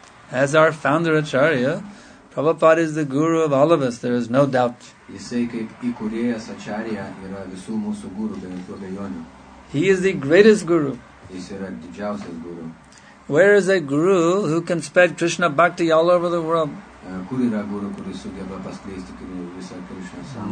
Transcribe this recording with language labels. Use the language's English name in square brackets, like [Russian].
[English] As our founder Acharya, Prabhupada is the guru of all of us, there is no doubt. [Lithuanian] Jisai kaip įkūrėjas Acharya yra visų mūsų guru, be jokių abejonių. [English] He is the greatest guru. [Lithuanian] Jis yra didžiausias guru. [English] Where is a guru who can spread Krishna bhakti all over the world? [Lithuanian] Kur yra guru, kuris sugeba paskleisti visą Krishna sambandą?